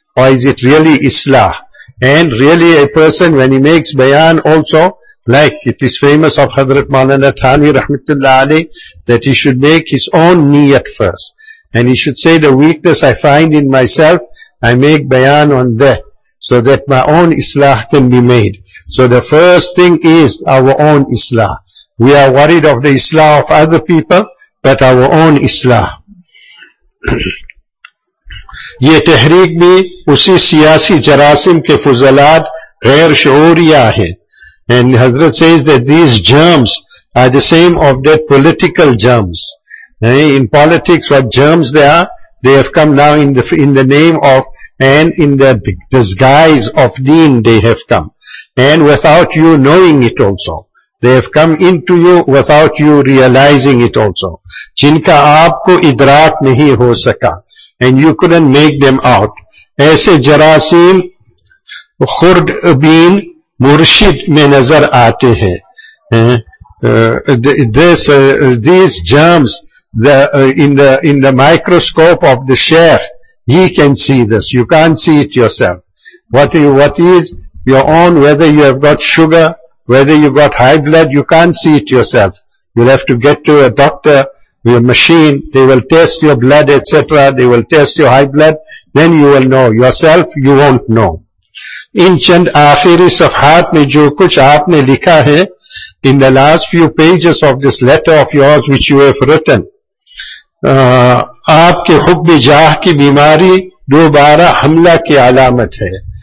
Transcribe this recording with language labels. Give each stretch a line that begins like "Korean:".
English: Or is it really Islah? And really a person, when he makes bayan also, like it is famous of Hazrat Maulana Thanvi Rahmatullah Ali, that he should make his own niyat first. And he should say, the weakness I find in myself, I make bayan on that, so that my own Islah can be made. So the first thing is our own Islah. We are worried of the Islah of other people, but our own Islah.
Urdu: یہ تحریک بھی اسی سیاسی جراثیم کے فضلات غیر شعوریہ ہے.
English: And Hazrat says that these germs are the same of that political germs. In politics, what germs they are, they have come now in the name of and in the disguise of deen they have come. And without you knowing it also. They have come into you without you realizing it also.
Urdu: جن کا آپ کو ادراک نہیں ہو سکا.
English: And you couldn't make them out.
Urdu: ایسے جراثیم خرد بین مرشد میں نظر آتے ہیں.
English: These germs, in the microscope of the sheikh, he can see this. You can't see it yourself. What is your own, whether you have got sugar, whether you got high blood, you can't see it yourself. You'll have to get to a doctor, your machine, they will test your blood, etc. They will test your high blood, then you will know. Yourself, you won't know.
Urdu: ان چند آخری صفحات میں جو کچھ آپ نے لکھا ہے,
English: in the last few pages of this letter of yours which you have written,
Urdu: آپ کے حب جاہ کی بیماری دوبارہ حملہ کی علامت ہے.